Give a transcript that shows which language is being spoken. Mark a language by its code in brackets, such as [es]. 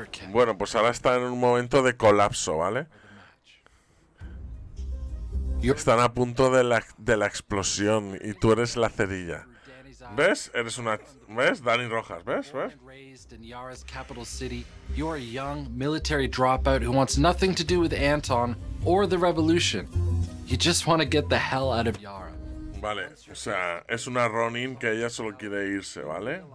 [es] Bueno, pues ahora está en un momento de colapso, ¿vale? Están a punto de la explosión y tú eres la cerilla. ¿Ves? Eres una... ¿Ves? Dani Rojas, ¿ves? ¿Ves? [en] Yara's capital city, you're a young military dropout who wants nothing to do with Anton or the revolution. You just want to get the hell out of Yara. [es] Vale, o sea, es una Ronin que ella solo quiere irse, ¿vale?